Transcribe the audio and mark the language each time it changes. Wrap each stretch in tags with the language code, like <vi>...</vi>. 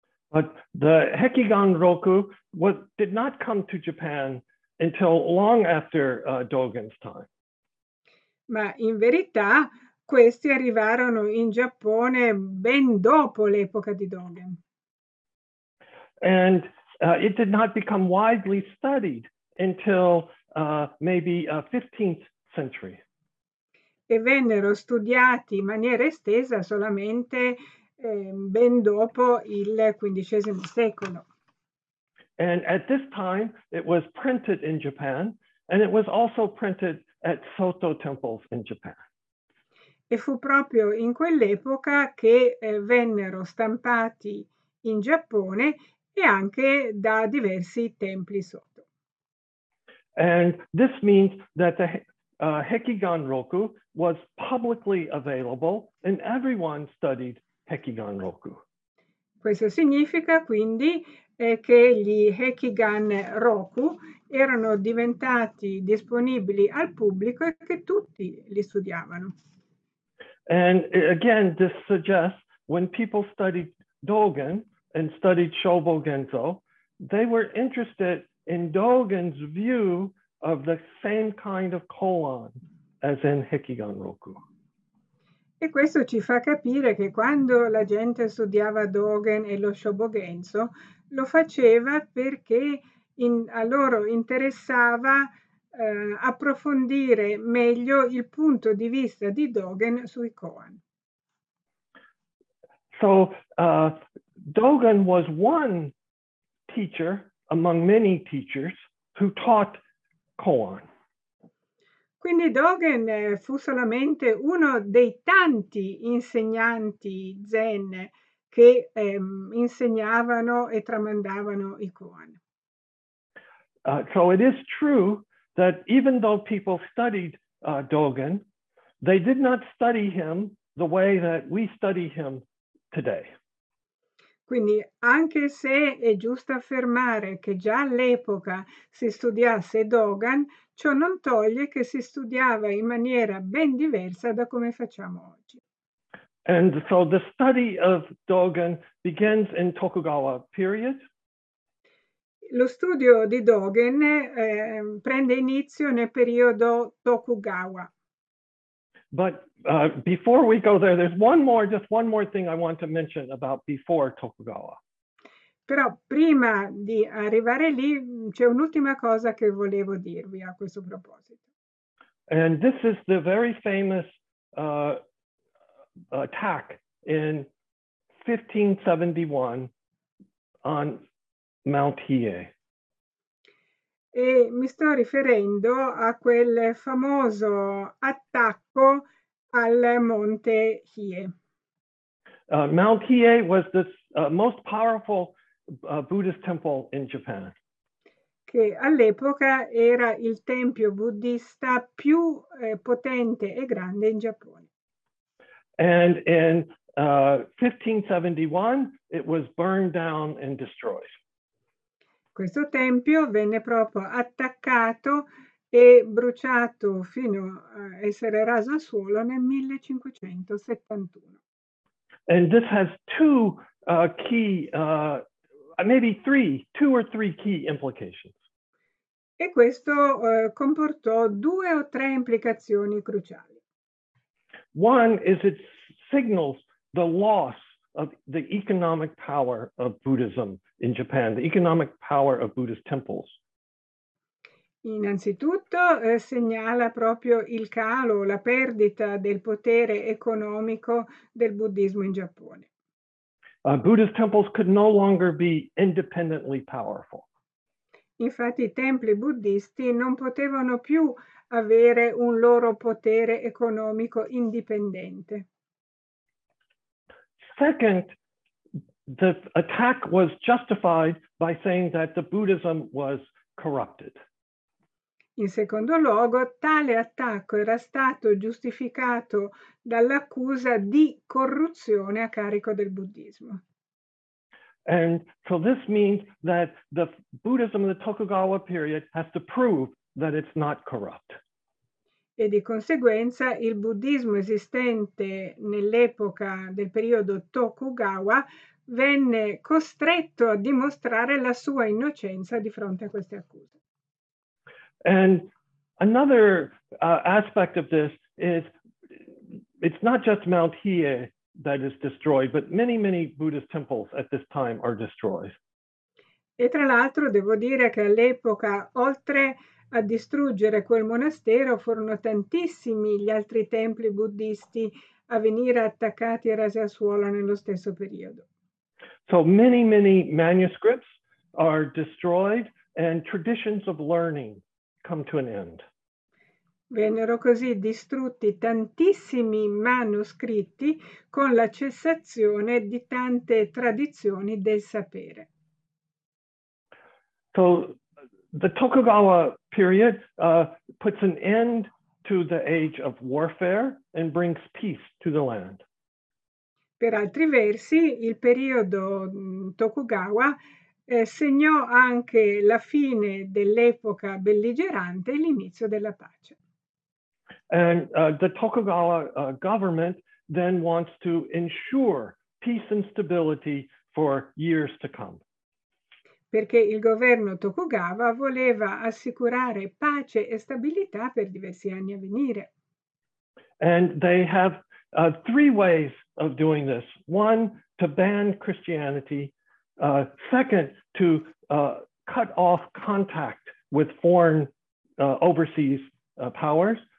<en>But the Hekigan Roku was, did not come to Japan until long after Dogen's time.</en> <it>Ma in verità questi arrivarono in Giappone ben dopo l'epoca di Dogen.</it> <en>And it did not become widely studied until maybe 15th century.</en> <it>E vennero studiati in maniera estesa solamente ben dopo il XV secolo.</it> <en>And at this time it was printed in Japan and it was also printed at Soto temples in Japan.</en> <it>E fu proprio in quell'epoca che vennero stampati in Giappone e anche da diversi templi Soto.</it> <en>And this means that the Hekigan Roku was publicly available and everyone studied Hekigan Roku.</en> <it>Questo significa quindi che gli Heikigan Roku erano diventati disponibili al pubblico e che tutti li studiavano.</it> <en>And again, this suggests when people studied Dogen and studied Shobo Genzo, they were interested in Dogen's view of the same kind of koan as in Heikigan Roku.</en> <it>E questo ci fa capire che quando la gente studiava Dogen e lo Shobo Genzo, lo faceva perché a loro interessava approfondire meglio il punto di vista di Dogen sui koan.</it> <en>So Dogen was one teacher among many teachers who taught koan.</en> <it>Quindi Dogen fu solamente uno dei tanti insegnanti zen che insegnavano e tramandavano i koan.</it> <en>So it is true that even though people studied Dogen, they did not study him the way that we study him today.</en> <it>Quindi anche se è giusto affermare che già all'epoca si studiasse Dogen, ciò non toglie che si studiava in maniera ben diversa da come facciamo oggi.</it> <en>And so the study of Dogen begins in Tokugawa period.</en> <it>Lo studio di Dogen prende inizio nel periodo Tokugawa.</it> <en>But before we go there, there's one more, just one more thing I want to mention about before Tokugawa.</en> <it>Però prima di arrivare lì c'è un'ultima cosa che volevo dirvi a questo proposito.</it> <en>And this is the very famous attack in 1571 on Mount Hiei.</en> <it>E mi sto riferendo a quel famoso attacco al Monte Hiei.</it> <en>Mount Hiei was the most powerful Buddhist temple in Japan.</en> <it>Che all'epoca era il tempio buddista più potente e grande in Giappone.</it> <en>And in 1571, it was burned down and destroyed.</en> <it>Questo tempio venne proprio attaccato e bruciato fino a essere raso al suolo nel 1571.</it> <en>And this has two key, maybe three, two or three key implications.</en> <it>E questo comportò due o tre implicazioni cruciali.</it> <en>One is it signals the loss of the economic power of Buddhism in Japan, the economic power of Buddhist temples.</en> <it>Innanzitutto, segnala proprio il calo, la perdita del potere economico del buddismo in Giappone.</it> <en>Buddhist temples could no longer be independently powerful.</en> <it>Infatti, i templi buddisti non potevano più avere un loro potere economico indipendente.</it> <en>Second, the attack was justified by saying that the Buddhism was corrupted.</en> <it>In secondo luogo, tale attacco era stato giustificato dall'accusa di corruzione a carico del buddismo.</it> <en>And so this means that the Buddhism of the Tokugawa period has to prove that it's not corrupt.</en> <it>E di conseguenza il buddismo esistente nell'epoca del periodo Tokugawa venne costretto a dimostrare la sua innocenza di fronte a queste accuse.</it> <en>And another aspect of this is it's not just Mount Hiei that is destroyed, but many, many Buddhist temples at this time are destroyed.</en> <it>E tra l'altro devo dire che all'epoca, oltre a distruggere quel monastero, furono tantissimi gli altri templi buddhisti a venire attaccati e rasi al suolo nello stesso periodo.</it> <en>So many, many manuscripts are destroyed and traditions of learning come to an end.</en> <it>Vennero così distrutti tantissimi manoscritti con la cessazione di tante tradizioni del sapere.</it> <en>So the Tokugawa period puts an end to the age of warfare and brings peace to the land.</en> <it>Per altri versi, il periodo Tokugawa segnò anche la fine dell'epoca belligerante e l'inizio della pace.</it> <en>And the Tokugawa government then wants to ensure peace and stability for years to come.</en> <it>Perché il governo Tokugawa voleva assicurare pace e stabilità per diversi anni a venire.</it> <en>And they have three ways of doing this. One, to ban Christianity. Second, to cut off contact with foreign overseas powers.</en>